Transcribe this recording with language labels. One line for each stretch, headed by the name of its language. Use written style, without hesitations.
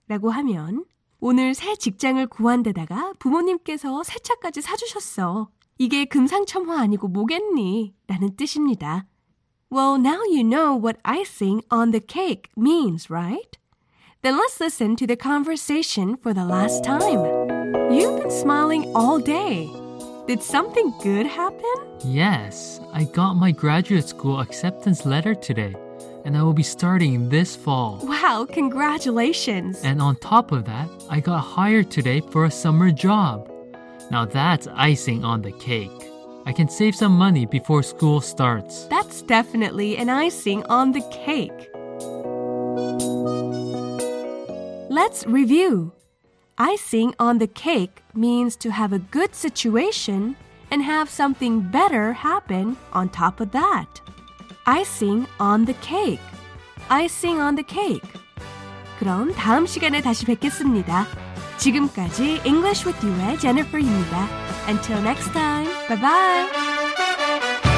Korean: 라고 하면 오늘 새 직장을 구한 데다가 부모님께서 새 차까지 사주셨어. 이게 금상첨화 아니고 뭐겠니? 라는 뜻입니다.
English: Well, now you know what icing on the cake means, right? Then let's listen to the conversation for the last time. You've been smiling all day. Did something good happen? Yes, I got my graduate school acceptance letter today, and I will be starting this fall. Wow, congratulations! And on top of that, I got hired today for a summer job. Now that's icing on the cake. I can save some money before school starts. That's definitely an icing on the cake. Let's review. Icing on the cake means to have a good situation and have something better happen on top of that. Icing on the cake. Icing on the cake.
Korean: 그럼 다음 시간에 다시 뵙겠습니다. 지금까지 English with You의 Jennifer입니다.
English: Until next time, bye-bye!